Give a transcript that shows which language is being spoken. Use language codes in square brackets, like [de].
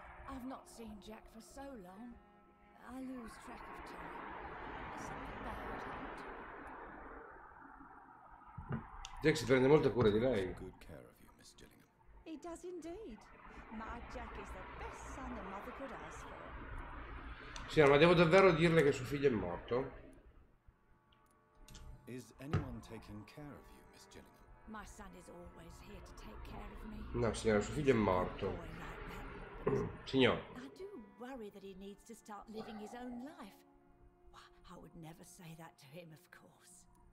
[en] I've not seen Jack for so long. I lose track of time. Something bad happened. [it] Jack si prende molta cura di lei. [en] Good care of you, Miss Gillingham. He does indeed. My Jack is the best son a mother could ask for. [it] Signora, ma devo davvero dirle che suo figlio è morto? [en] Is anyone taking care of you, Miss Gillingham? My son is always here to take care of me. [it] No, signora, suo figlio è morto. Signor. [en] I do worry that he needs to start living his own life. I would never say that to him, of course.